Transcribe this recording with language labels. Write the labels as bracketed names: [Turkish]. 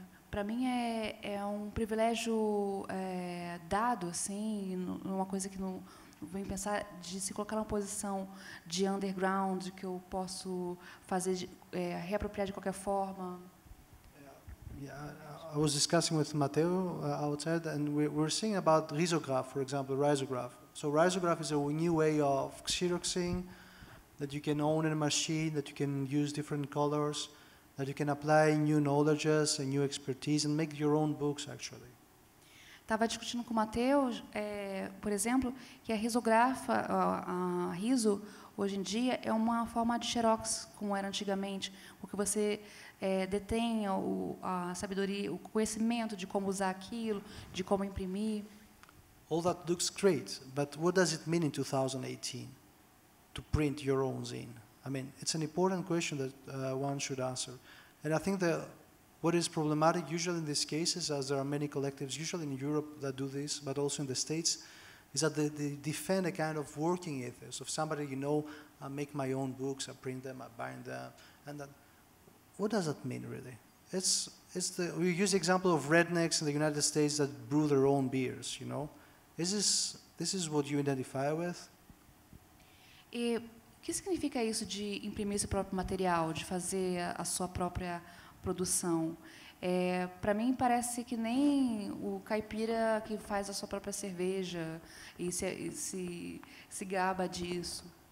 [Portuguese] Para mim é um privilégio dado, assim, uma coisa que não vem pensar, de se colocar numa posição de underground, que eu posso fazer reapropriar de qualquer forma. [English] Yeah, I was discussing with Matteo outside, and we're seeing about risograph, for example, risograph. So risograph is a new way of xeroxing, that you can own in a machine, that you can use different colors, that you can apply new knowledges and new expertise and make your own books, actually. [Portuguese] Tava discutindo com o Matheus, por exemplo, que a risografa, a riso, hoje em dia, é uma forma de xerox, como era antigamente, porque você detém a sabedoria, o conhecimento de como usar aquilo, de como imprimir. [English] All that looks great, but what does it mean in 2018 to print your own zine? I mean, it's an important question that one should answer. And I think that what is problematic usually in these cases, as there are many collectives, usually in Europe that do this, but also in the States, is that they defend a kind of working ethos of somebody, you know, I make my own books, I print them, I bind them. And that, what does that mean, really? We use the example of rednecks in the United States that brew their own beers, you know? This is what you identify with? [Portuguese] O que significa isso de imprimir seu próprio material, de fazer a sua própria produção? Para mim, parece que nem o caipira que faz a sua própria cerveja e se gaba disso.